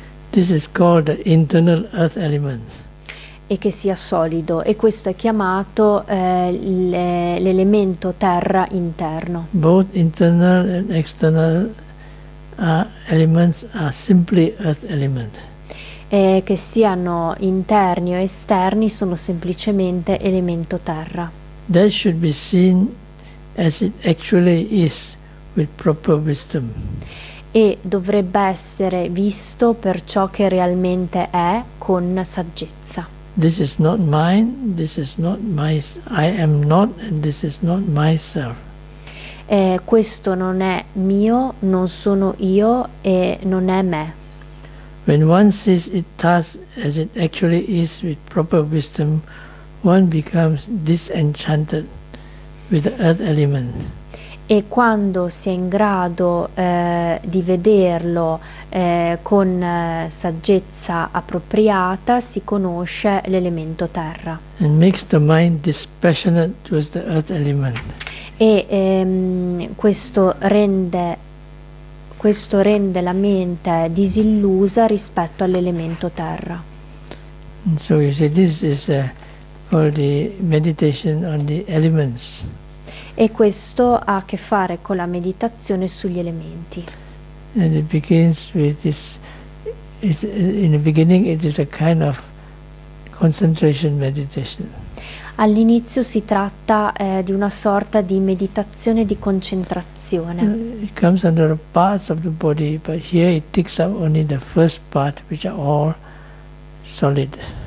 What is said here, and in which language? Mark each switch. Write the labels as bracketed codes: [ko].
[en] This is called the internal earth element. [it] E che sia solido, e questo è chiamato l'elemento terra interno. [en] Both internal and external elements are simply earth element. [it] E che siano interni o esterni, sono semplicemente elemento terra. [en] That should be seen as it actually is with proper wisdom. [it] E dovrebbe essere visto per ciò che realmente è, con saggezza. [en] This is not mine, this is not my, I am not, and this is not myself. [it] Questo non è mio, non sono io e non è me. [en] When one sees it thus as it actually is with proper wisdom, one becomes disenchanted with the earth element. [it] E quando si è in grado di vederlo con saggezza appropriata, si conosce l'elemento terra. [en] And makes the mind dispassionate towards the earth element. [it] E questo rende la mente disillusa rispetto all'elemento terra. [en] And so you see, this is for the meditation on the elements. [it] E questo ha a che fare con la meditazione sugli elementi. [en] And it begins with this, in the beginning it is a kind of concentration meditation. [it] All'inizio si tratta di una sorta di meditazione di concentrazione. [en] It comes under the parts of the body, but here it takes up only the first part, which are all solid.